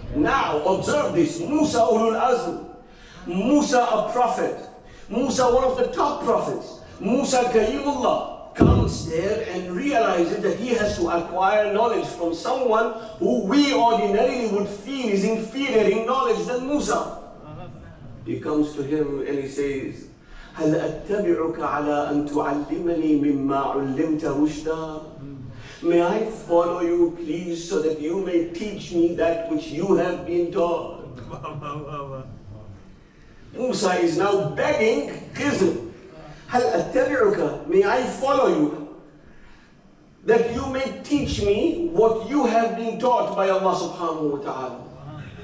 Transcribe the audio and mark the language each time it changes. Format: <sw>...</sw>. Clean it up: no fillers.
<en>Now observe this. Musa ulul azm. Musa a prophet. Musa one of the top prophets. Musa Kalimullah comes there and realizes that he has to acquire knowledge from someone who we ordinarily would feel is inferior in knowledge than Musa. He comes to him and he says,</en> <ar>هل أتبعك على أن تعلمني مما علمت رشدا.</ar> <en>May I follow you, please, so that you may teach me that which you have been taught. Musa is now begging Khizr.</en> <ar>هل أتبعك.</ar> <en>May I follow you, that you may teach me what you have been taught by Allah subhanahu wa ta'ala.</en>